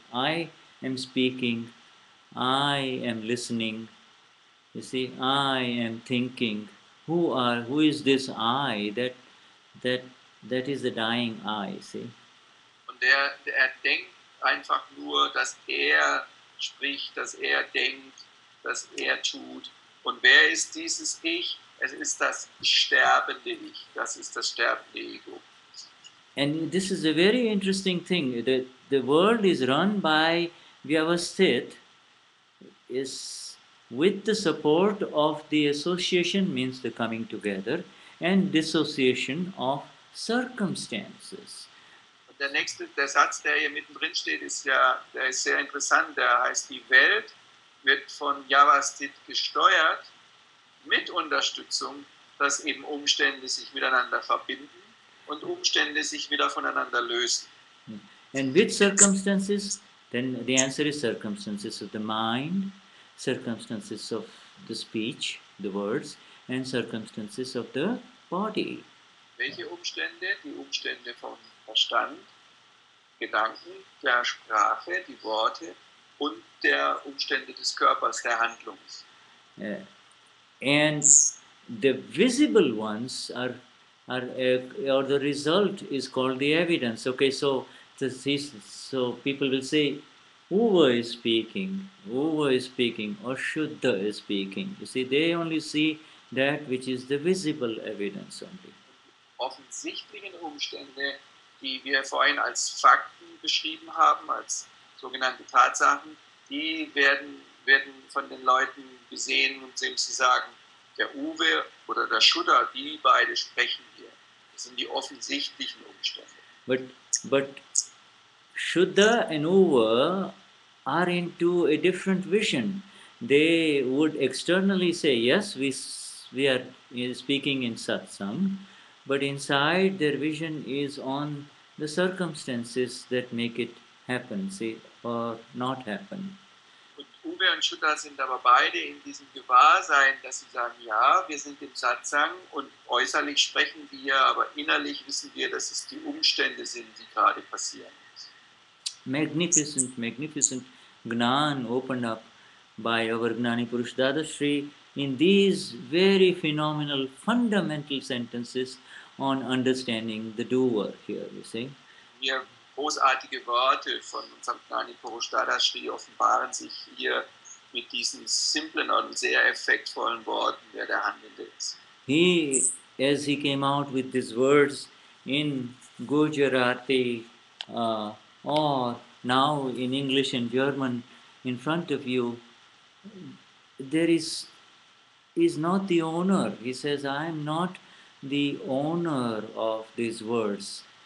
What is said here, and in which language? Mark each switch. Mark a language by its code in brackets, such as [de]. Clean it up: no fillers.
[en] I am speaking. I am listening. You see, I am thinking. Who is this I that is the dying I, see? [de] Und der denkt einfach nur, dass spricht, dass denkt, dass tut. Und wer ist dieses Ich? Es ist das sterbende Ich. Das ist das sterbende Ego. [en] And this is a very interesting thing. The world is run by Vyavasthit is with the support of the association, means the coming together, and dissociation of circumstances. [de] Und der Satz, der hier mittendrin steht, ist ja, der ist sehr interessant. Der heißt, die Welt wird von Vyavasthit gesteuert mit Unterstützung, dass eben Umstände sich miteinander verbinden und Umstände sich wieder voneinander lösen. [en] And with circumstances, then the answer is circumstances of the mind, circumstances of the speech, the words, and circumstances of the body. [de] Welche Umstände? Die Umstände vom Verstand, Gedanken, der Sprache, die Worte, und der Umstände des Körpers, der Handlung. [en] And the visible ones are the result is called the evidence. Okay, so people will say, Uwe is speaking, Uwe is speaking, or Shuddha is speaking. You see, they only see that which is the visible evidence only. [de] Offensichtlichen Umstände, die wir vorhin als Fakten beschrieben haben, als sogenannte Tatsachen, die werden von den Leuten gesehen und sehen, sie sagen, der Uwe oder der Shuddha, die beide sprechen hier. Das sind die offensichtlichen Umstände. [en] But Shuddha and Uwe are into a different vision. They would externally say, yes, we are speaking in satsang, but inside their vision is on the circumstances that make it happen, see, or not happen. [de] Und Uwe und Shuddha sind aber beide in diesem Gewahrsein, dass sie sagen, ja, wir sind im Satsang und äußerlich sprechen wir, aber innerlich wissen wir, dass es die Umstände sind, die gerade passieren. [en] Magnificent, magnificent Gnan opened up by our Gnani Purush Dadashri in these very phenomenal fundamental sentences on understanding the doer here, you see. [de] Ja, großartige Worte von unserem Gnani Purush Dadashri offenbaren sich hier mit diesen simplen und sehr effektvollen Worten, wer der Handelnde ist. [en] He, as he came out with these words in Gujarati, or now in English and German in front of you, there is not the owner. He says, I am not the owner of these words.